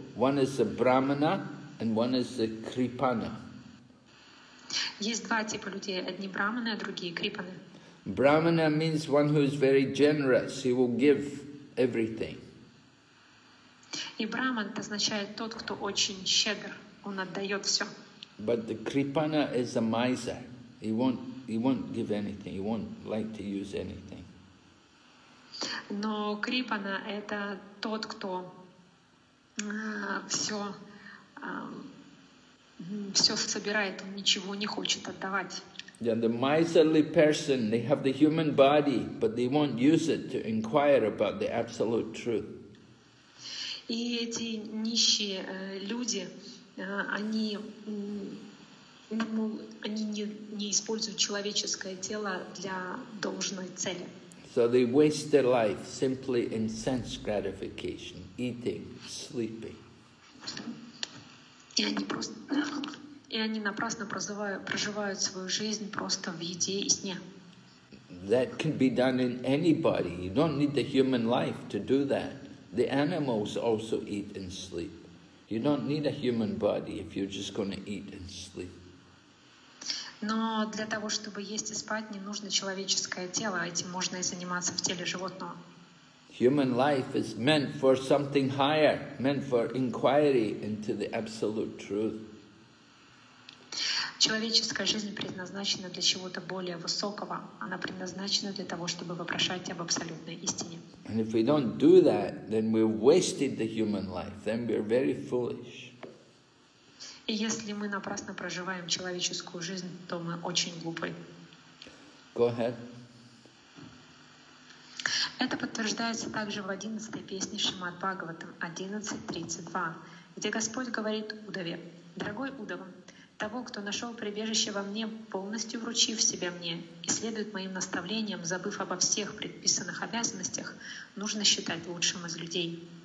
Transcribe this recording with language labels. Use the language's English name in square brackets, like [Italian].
[English] One is a brahmana and one is a kripana. [Russian] Есть два типа людей: одни брахманы, а другие крипаны. [English] Brahmana means one who is very generous. He will give everything. [Russian] И брахман означает тот, кто очень щедр. Он отдает все. [English] But the kripana is a miser. He won't give anything. He won't like to use anything. [Russian] Но крипана это тот, кто все собирает. Он ничего не хочет отдавать. [English] Yeah, the miserly person, they have the human body, but they won't use it to inquire about the absolute truth. [Russian] И эти нищие люди, они не используют человеческое тело для должной цели. [English] So they waste their life simply in sense gratification, eating, sleeping. [Russian] И они напрасно проживают свою жизнь просто в еде и сне. [English] That can be done in anybody. You don't need the human life to do that. The animals also eat and sleep. You don't need a human body if you're just going to eat and sleep. [Russian] Но для того, чтобы есть и спать, не нужно человеческое тело. Этим можно и заниматься в теле животного. [English] Human life is meant for something higher, meant for inquiry into the absolute truth. [Russian] Человеческая жизнь предназначена для чего-то более высокого. Она предназначена для того, чтобы вопрошать об абсолютной истине. [English] And if we don't do that, then we've wasted the human life. Then we're very foolish. [Russian] И если мы напрасно проживаем человеческую жизнь, то мы очень глупы. [English] Go ahead. [Russian] Это подтверждается также в 11-й песне Шримад Бхагаватам 11.32, где Господь говорит Удаве: «Дорогой Удава, того, кто нашел прибежище во мне, полностью вручив себя мне и следует моим наставлениям, забыв обо всех предписанных обязанностях, нужно считать лучшим из людей».